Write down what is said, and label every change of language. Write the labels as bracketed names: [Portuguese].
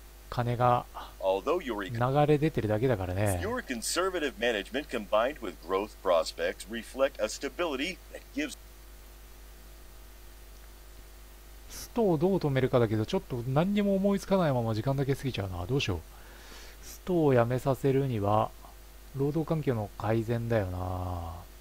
[Japanese] 金が流れ出てるだけだからね。 [English] Your conservative management combined with growth prospects reflect a stability that gives. [Japanese] ストをどう止めるかだけど、ちょっと何にも思いつかないまま時間だけ過ぎちゃうな。どうしよう。ストをやめさせるには労働環境の改善だよな。